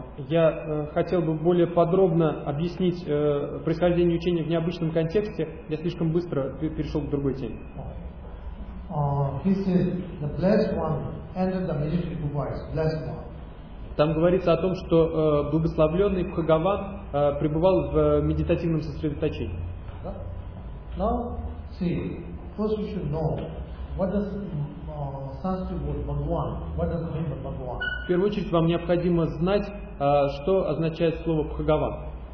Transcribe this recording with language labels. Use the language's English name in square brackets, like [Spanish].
[Russian] Я хотел бы более подробно объяснить происхождение учения в необычном контексте. Я слишком быстро перешел к другой теме. [English] He says the blessed one entered the majestic Bhuvanas. Blessed one. [Russian] Там говорится о том, что благословленный Бхагаван пребывал в медитативном сосредоточении. [English] Now, see, first we should know what does Sanskrit word Bhagwan, what does it mean by Bhagwan? [Russian] В первую очередь вам необходимо знать, что означает слово Бхагаван.